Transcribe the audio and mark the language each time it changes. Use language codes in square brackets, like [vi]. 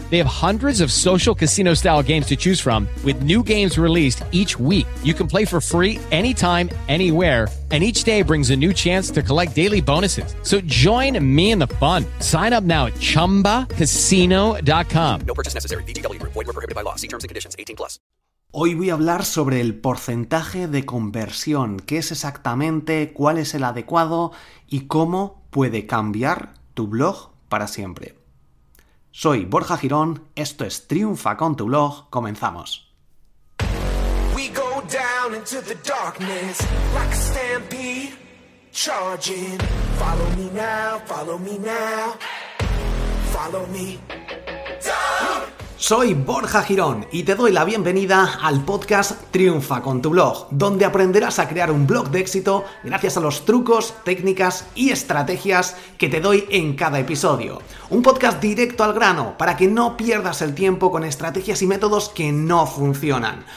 [en] They have hundreds of social casino style games to choose from with new games released each week. You can play for free anytime, anywhere. And each day brings a new chance to collect daily bonuses. So join me in the fun. Sign up now at ChumbaCasino.com. No purchase necessary. VGW. Void where prohibited by law. See terms and conditions. 18 plus. [es] Hoy voy a hablar sobre el porcentaje de conversión. ¿Qué es exactamente? ¿Cuál es el adecuado? ¿Y cómo puede cambiar tu blog para siempre? Soy Borja Girón. Esto es Triunfa con tu blog. Comenzamos. [en] We go down into the darkness like a stampede. Charging. Follow me now, follow me now. Follow me. [es] Soy Borja Girón y te doy la bienvenida al podcast Triunfa con tu blog, donde aprenderás a crear un blog de éxito gracias a los trucos, técnicas y estrategias que te doy en cada episodio. Un podcast directo al grano para que no pierdas el tiempo con estrategias y métodos que no funcionan.